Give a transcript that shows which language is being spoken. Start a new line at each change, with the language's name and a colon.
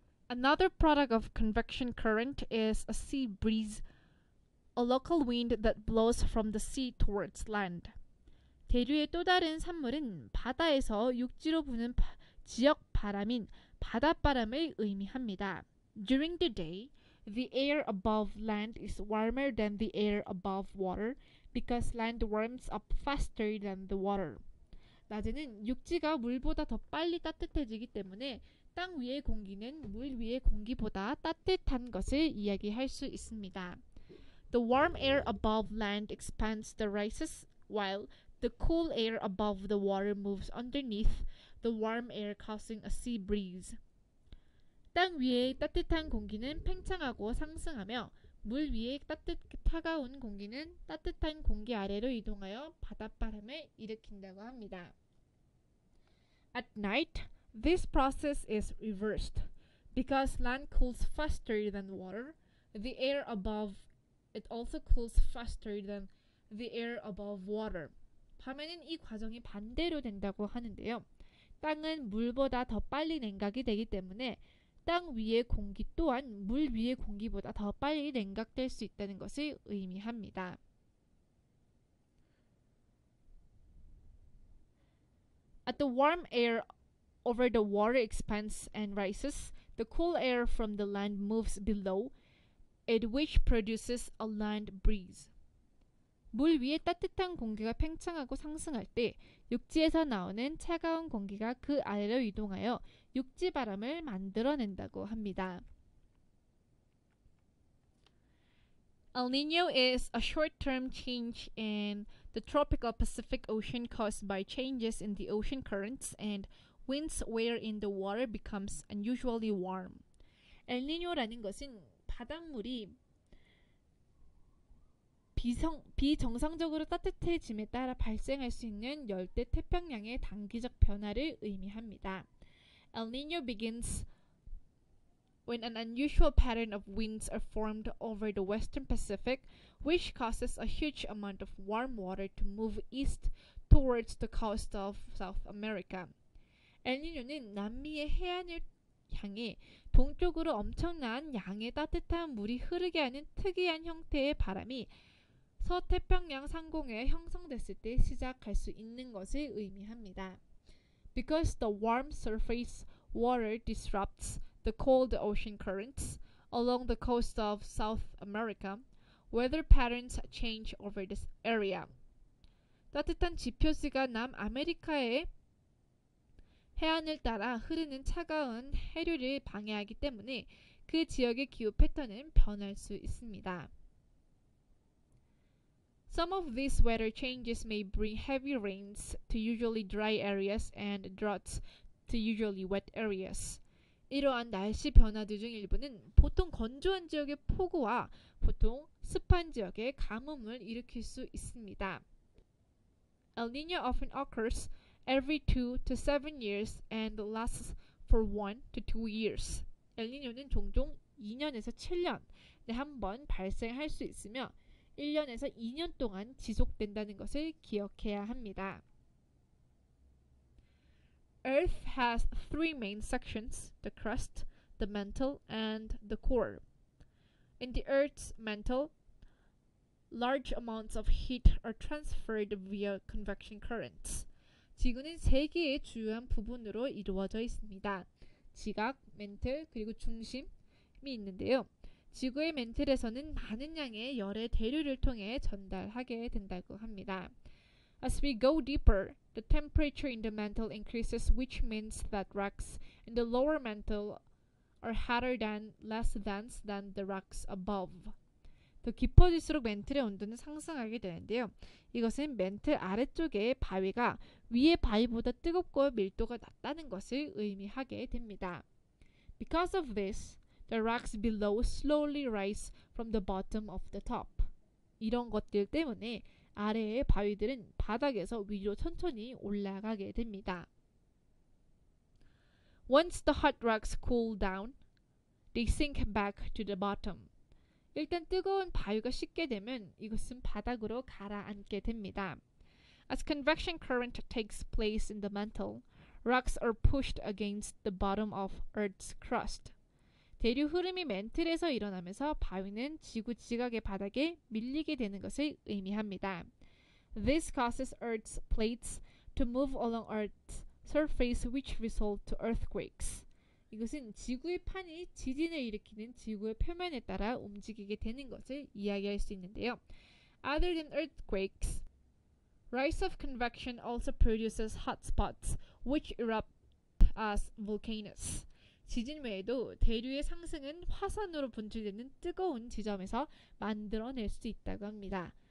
English: Another product of convection current is a sea breeze, a local wind that blows from the sea towards land.
Korean: 대류의 또 다른 산물은 바다에서 육지로 부는 지역 바람인 바닷바람을 의미합니다.
English: During the day, the air above land is warmer than the air above water because land warms up faster than the water.
Korean: 낮에는 육지가 물보다 더 빨리 따뜻해지기 때문에 땅 위의 공기는 물 위의 공기보다 따뜻한 것을 이야기할 수 있습니다.
English: The warm air above land expands the rises while the cool air above the water moves underneath the warm air causing a sea breeze.
Korean: 땅 위의 따뜻한 공기는 팽창하고 상승하며 물 위의 차가운 공기는 따뜻한 공기 아래로 이동하여 바닷바람을 일으킨다고 합니다.
English: At night, this process is reversed. Because land cools faster than water, the air above it also cools faster than the air above water.
Korean: 밤에는 이 과정이 반대로 된다고 하는데요. 땅은 물보다 더 빨리 냉각이 되기 때문에 땅 위의 공기 또한 물 위의 공기보다 더 빨리 냉각될 수 있다는 것을 의미합니다.
English: At the warm air over the water expands and rises, the cool air from the land moves below it, which produces a land breeze.
Korean: 물 위에 따뜻한 공기가 팽창하고 상승할 때 육지에서 나오는 차가운 공기가 그 아래로 이동하여 육지 바람을 만들어낸다고 합니다.
English: El Niño is a short-term change in the tropical Pacific Ocean caused by changes in the ocean currents and winds wherein the water becomes unusually warm.
Korean: El Niño라는 것은 바닷물이 비정상적으로 따뜻해짐에 따라 발생할 수 있는 열대 태평양의 단기적 변화를 의미합니다.
English: El Niño begins when an unusual pattern of winds are formed over the western Pacific, which causes a huge amount of warm water to move east towards the coast of South America.
Korean: El Niño는 남미의 해안을 향해 동쪽으로 엄청난 양의 따뜻한 물이 흐르게 하는 특이한 형태의 바람이 서태평양 상공에 형성됐을 때 시작할 수 있는 것을 의미합니다.
English: Because the warm surface water disrupts the cold ocean currents along the coast of South America, weather patterns change over this area.
Korean: 따뜻한 지표지가 남아메리카의 해안을 따라 흐르는 차가운 해류를 방해하기 때문에 그 지역의 기후 패턴은 변할 수 있습니다.
English: Some of these weather changes may bring heavy rains to usually dry areas and droughts to usually wet areas.
Korean: 이러한 날씨 변화들 중 일부는 보통 건조한 지역의 폭우와 보통 습한 지역의 가뭄을 일으킬 수 있습니다.
English: El Niño often occurs every 2 to 7 years and lasts for 1 to 2 years.
Korean: El Niño는 종종 2년에서 7년에 한 번 발생할 수 있으며 1년에서 2년 동안 지속된다는 것을 기억해야 합니다.
English: Earth has three main sections, the crust, the mantle, and the core. In the Earth's mantle, large amounts of heat are transferred via convection currents.
Korean: 지구는 세 개의 주요한 부분으로 이루어져 있습니다. 지각, 멘틀, 그리고 중심이 있는데요. 지구의 멘틀에서는 많은 양의 열의 대류를 통해 전달하게 된다고 합니다.
English: As we go deeper, the temperature in the mantle increases, which means that rocks in the lower mantle are hotter than less dense than the rocks above.
Korean: 더 깊어질수록 멘틀의 온도는 상승하게 되는데요. 이것은 멘틀 아래쪽의 바위가 위의 바위보다 뜨겁고 밀도가 낮다는 것을 의미하게 됩니다.
English: Because of this, the rocks below slowly rise from the bottom of the top.
Korean: 이런 것들 때문에 아래의 바위들은 바닥에서 위로 천천히 올라가게 됩니다.
English: Once the hot rocks cool down, they sink back to the bottom.
Korean: 일단 뜨거운 바위가 식게 되면 이것은 바닥으로 가라앉게 됩니다.
English: As convection current takes place in the mantle, rocks are pushed against the bottom of Earth's crust.
Korean: 대류 흐름이 멘틀에서 일어나면서 바위는 지구 지각의 바닥에 밀리게 되는 것을 의미합니다.
English: This causes Earth's plates to move along Earth's surface, which result to earthquakes.
Korean: 이것은 지구의 판이 지진을 일으키는 지구의 표면에 따라 움직이게 되는 것을 이야기할 수 있는데요.
English: Other than earthquakes, rise of convection also produces hot spots, which erupt as volcanoes.
Korean: 지진 외에도 대류의 상승은 화산으로 분출되는 뜨거운 지점에서 만들어낼 수 있다고 합니다.